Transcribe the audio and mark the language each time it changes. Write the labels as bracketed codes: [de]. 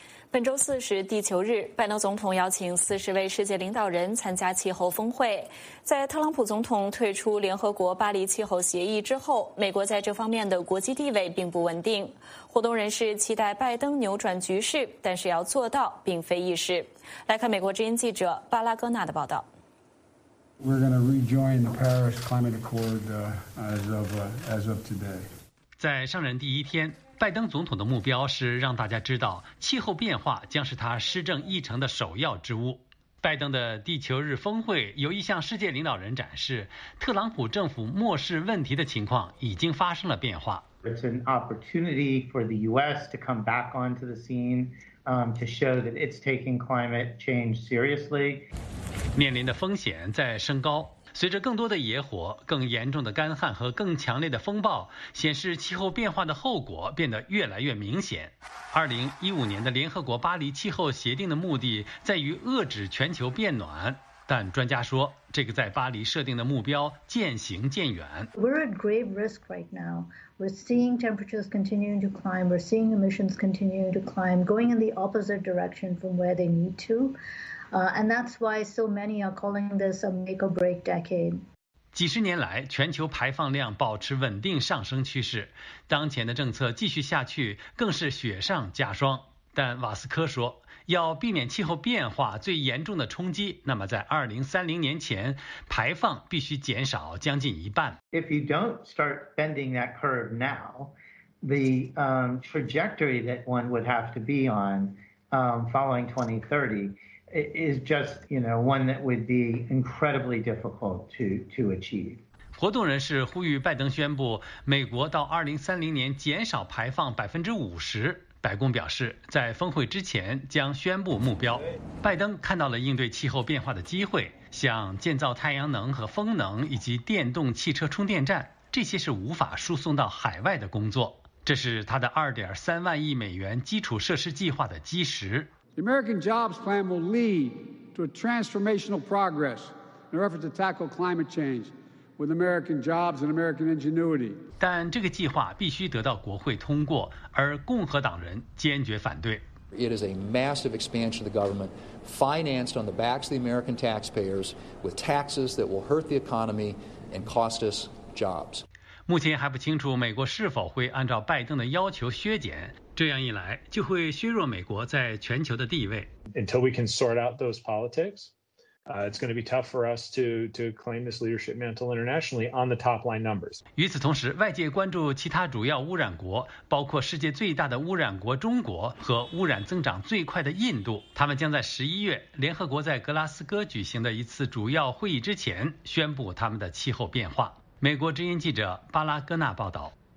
[zh] 本周四是地球日，拜登总统邀请40位世界领导人参加气候峰会。在特朗普总统退出联合国巴黎气候协议之后，美国在这方面的国际地位并不稳定。活动人士期待拜登扭转局势，但是要做到并非易事。来看美国之音记者巴拉戈纳的报道。 [en] We're going to rejoin the Paris Climate Accord as of today. [zh] 在上任第一天。拜登总统的目标是让大家知道，气候变化将是他施政议程的首要之务。拜登的地球日峰会有意向世界领导人展示，特朗普政府漠视问题的情况已经发生了变化。 [en] It's an opportunity for the U.S. to come back onto the scene, to show that it's taking climate change seriously. [zh] 面临的风险在升高。随着更多的野火、更严重的干旱和更强烈的风暴，显示气候变化的后果变得越来越明显。 2015年的联合国巴黎气候协定的目的在于遏制全球变暖，但专家说，这个在巴黎设定的目标渐行渐远。 [en] We're at grave risk right now. We're seeing temperatures continuing to climb. We're seeing emissions continuing to climb, going in the opposite direction from where they need to. And that's why so many are calling this a make or break decade. [zh] 几十年来，全球排放量保持稳定上升趋势，当前的政策继续下去，更是雪上加霜。但瓦斯科说，要避免气候变化最严重的冲击，那么在2030年前，排放必须减少将近一半。 [en] If you don't start bending that curve now, the trajectory that one would have to be on following 2030 is just, you know, one that would be incredibly difficult to achieve. [zh] 活动人士呼吁拜登宣布美国到2030年减少排放50%。白宫表示，在峰会之前将宣布目标。拜登看到了应对气候变化的机会，像建造太阳能和风能以及电动汽车充电站，这些是无法输送到海外的工作。这是他的$23 billion基础设施计划的基石。 [en] The American Jobs Plan will lead to a transformational progress in our effort to tackle climate change with American jobs and American ingenuity. [zh] 但这个计划必须得到国会通过，而共和党人坚决反对。 [en] It is a massive expansion of the government, financed on the backs of the American taxpayers, with taxes that will hurt the economy and cost us jobs. [zh] 目前还不清楚美国是否会按照拜登的要求削减，这样一来就会削弱美国在全球的地位。 [en] Until we can sort out those politics,it's going to be tough for us to claim this leadership mantle internationally on the top line numbers. [zh] 与此同时，外界关注其他主要污染国，包括世界最大的污染国中国和污染增长最快的印度。他们将在11月联合国在格拉斯哥举行的一次主要会议之前宣布他们的气候变化。美国之音记者巴拉戈纳报道。